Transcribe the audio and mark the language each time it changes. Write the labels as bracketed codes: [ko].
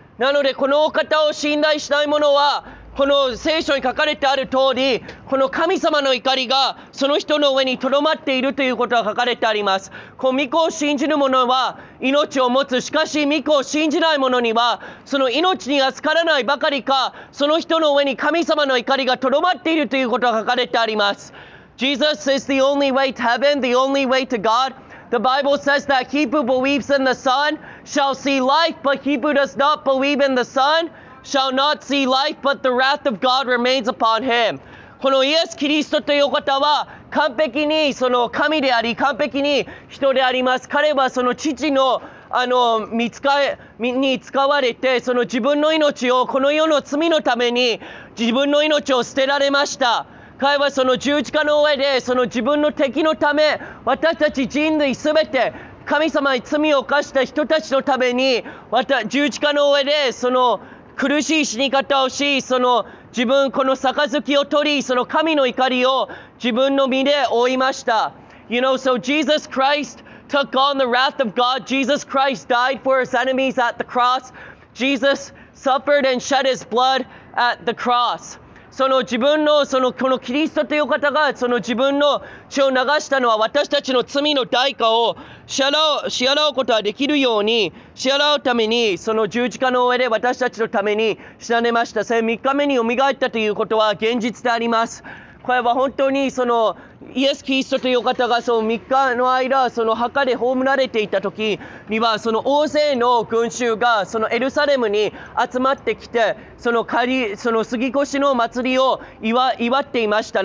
[ja] なのでこのお方を信頼しない者はこの聖書に書かれてある通りこの神様の怒りがその人の上にとどまっているということが書かれてあります。こう御子を信じる者は命を持つ、しかし御子を信じない者にはその命に預からないばかりかその人の上に神様の怒りがとどまっているということが書かれてあります。 [en] Jesus is the only way to heaven, the only way to God. The Bible says that he who believes in the Son shall see life, but he who does not believe in the SonShall not see life, but the wrath of God remains upon him. [ja] このイエス・キリストという方は完璧にその神であり完璧に人であります。彼はその父の見つかに使われてその自分の命をこの世の罪のために自分の命を捨てられました。彼はその十字架の上でその自分の敵のため私たち人類すべて神様に罪を犯した人たちのために十字架の上でその苦しい死に方をし、その自分この杯を取り、その神の怒りを自分の身で負いました。 [en] You know, so Jesus Christ took on the wrath of God. Jesus Christ died for his enemies at the cross. Jesus suffered and shed his blood at the cross. [ja] その自分のそのこのキリストという方がその自分の血を流したのは私たちの罪の代価を支払うことができるように支払うためにその十字架の上で私たちのために死なれました。 3日目によみがえったということは現実であります。これは本当にそのイエス・キリストという方がその3日の間その墓で葬られていた時にはその大勢の群衆がそのエルサレムに集まってきてその杉越の祭りを祝っていました。